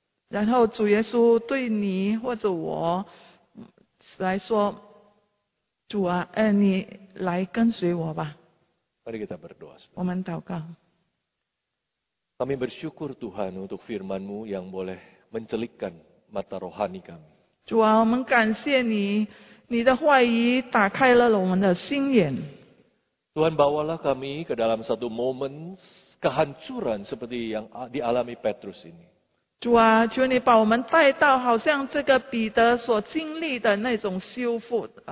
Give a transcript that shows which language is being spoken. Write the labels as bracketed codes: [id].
[zh] 然后主耶稣对你或者我来说， 主啊，你来跟随我吧。 [ms] Mari kita berdoa. [zh] 我们祷告。 [ms] Kami bersyukur Tuhan untuk firman-Mu yang boleh mencelikkan mata rohani kami. [zh] 主啊，我们感谢你，你的话语打开了我们的心眼。 [ms] Tuhan, bawalah kami ke dalam satu momen kehancuran seperti yang dialami Petrus ini. [zh] 主啊，求你把我们带到好像这个彼得所经历的那种修复。